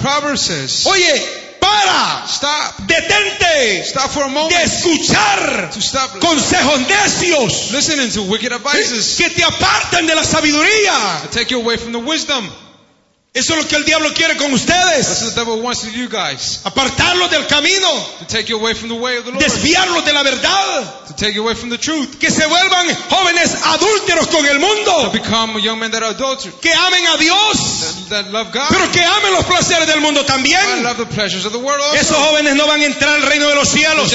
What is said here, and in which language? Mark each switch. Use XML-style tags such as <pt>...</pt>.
<en>Proverbs says.</en> <es>Oye, para.</es> <en>Stop.</en> <es>Detente.</es> <en>Stop for a moment.</en> <es>De escuchar.</es> <en>To stop.</en> <es>Consejos necios.</es> <en>Listening to wicked advices.</en> <es>Que te apartan de la sabiduría.</es> <en>To take you away from the wisdom.</en> <es>Eso es lo que el diablo quiere con ustedes.</es> <en>That's what the devil wants with you guys.</en> <es>Apartarlos del camino.</es> <en>To take you away from the way of the Lord.</en> <es>Desviarlos de la verdad.</es> <en>To take you away from the truth.</en> <es>Que se vuelvan jóvenes adúlteros con el mundo.</es> <en>To become young men that are adulterers.</en> <es>Que amen a Dios.</es> <en>That love God.</en> <es>Pero que amen los placeres del mundo también.</es> <en>But love the pleasures of the world also.</en> <es>Esos jóvenes no van a entrar al reino de los cielos.</es>